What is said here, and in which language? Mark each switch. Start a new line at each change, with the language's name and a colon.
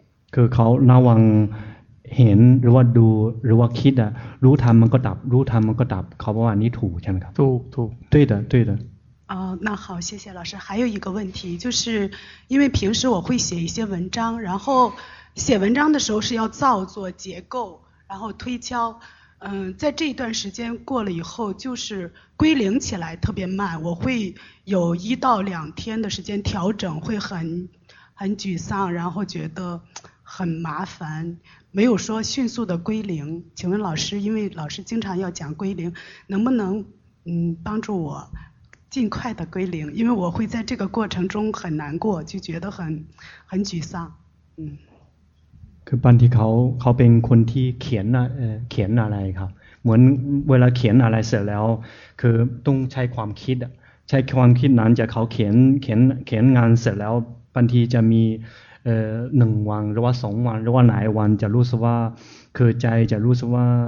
Thai: 可靠那往เห็นหรือว่าดูหรือว่าคิดอ่ะรู้ทำมันก็ดับรู้ทำมันก็ดับเขาบอกว่านี่ถูกใช่ไหมครับ ถูก
Chinese: 对的对的哦那好谢谢老师还有一个问题就是因为平时我会写一些文章然后写文章的时候是要造作结构然后推敲在这一段时间过了以后就是归零起来特别慢我会有一到两天的时间调整会很沮丧然后觉得很麻烦没有说迅速的归零请问老师因为老师经常要讲归零能不能帮助我尽快的归零因为我会在这个过程中很难过就觉得很沮丧
Thai: คือบางทีเขาเป็นคนที่เขียนอะไรครับเหมือนเวลาเขียนอะไรเสร็จแล้วคือต้องใช้ความคิดใช้ความคิดนั้นจะเขาเขียนงานเสร็จแล้วบางทีจะมีหนึ่งวันหรือว่าสองวันหรือว่าหลายวันจะรู้สึกว่าคือใจจะรู้สึกว่า